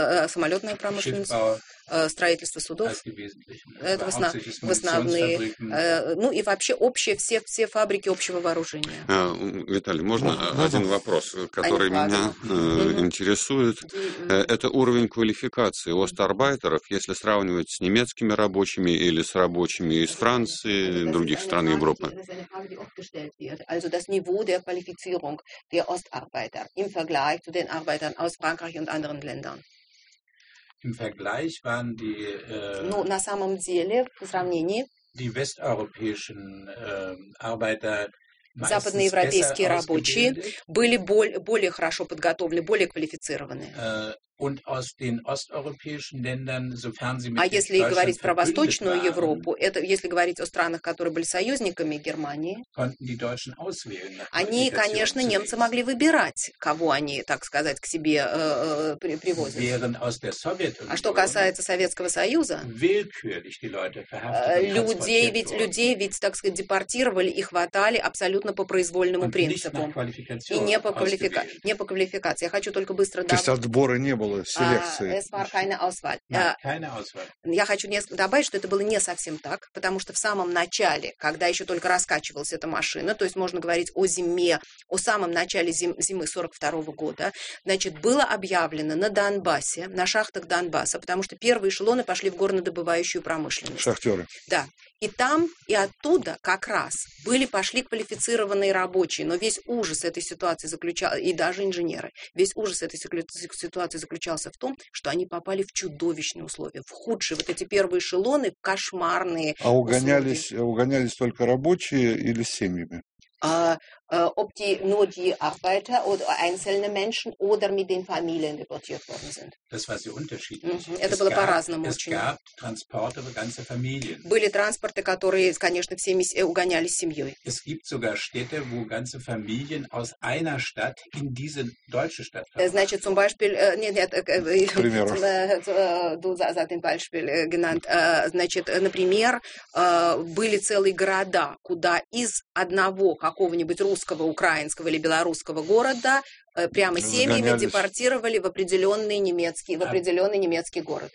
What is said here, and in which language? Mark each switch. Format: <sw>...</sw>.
<ru>самолетная промышленность, строительство судов, это в основном, ну и вообще общие все фабрики общего вооружения. Виталий, можно один вопрос, который меня интересует? Это уровень квалификации остарбайтеров, если сравнивать с немецкими рабочими или с рабочими из Франции, других стран Европы?</ru> <de>Also das Niveau der Qualifizierung der Ostarbeiter im Vergleich zu den Arbeitern aus Frankreich und anderen Ländern. Im Vergleich waren die,</de> <ru>ну, на самом деле, в сравнении,</ru> <de>die westeuropäischen Arbeiter</de> <ru>западноевропейские рабочие были более хорошо подготовлены, более квалифицированы.</ru> <de>Und aus den osteuropäischen Ländern, sofern sie mit</de> <ru>а если говорить про Восточную Европу, это, если говорить о странах, которые были союзниками Германии,</ru> <de>konnten die Deutschen auswählen,</de> <ru>они, конечно, немцы могли выбирать, кого они, так сказать, к себе привозят.</ru> <de>Während aus der Sowjetunion,</de> <ru>а что касается Советского Союза,</ru> <de>willkürlich die Leute verhaftet,</de> <ru>людей ведь, так сказать, депортировали и хватали абсолютно по произвольному</ru> <de>und</de> <ru>принципу. И не по квалификации. Я хочу только быстро... То есть отбора не было, селекции.</ru> <de>Es war keine Auswahl. Keine Auswahl.</de> <ru>Я хочу добавить, что это было не совсем так, потому что в самом начале, когда еще только раскачивалась эта машина, то есть можно говорить о зиме, о самом начале зимы 42-го года, значит, было объявлено на Донбассе, на шахтах Донбасса, потому что первые эшелоны пошли в горнодобывающую промышленность. Шахтеры. Да. И там, и оттуда как раз пошли квалифицированные рабочие, но весь ужас этой ситуации заключался, и даже инженеры, весь ужас этой ситуации заключался в том, что они попали в чудовищные условия, в худшие, вот эти первые эшелоны, кошмарные. А угонялись только рабочие или с семьями?</ru> <de>Ob die nur die Arbeiter oder einzelne Menschen oder mit den Familien deportiert worden sind. Das war sehr unterschiedlich. Mm-hmm.</de> <ru>Это было по-разному очень.</ru> <de>Es gab Transporte für ganze Familien.</de> <ru>Были транспорты, которые, конечно, всеми угонялись семьей.</ru> <de>Es gibt sogar Städte, wo ganze Familien aus einer Stadt in diese deutsche Stadt kamen.</de> <ru>Значит,</ru> <de>zum Beispiel, du hast ein Beispiel genannt.</de> <ru>Значит, например, были целые города, куда из одного какого-нибудь русского, украинского или белорусского города прямо семьи депортировали в определенный немецкий город.</ru>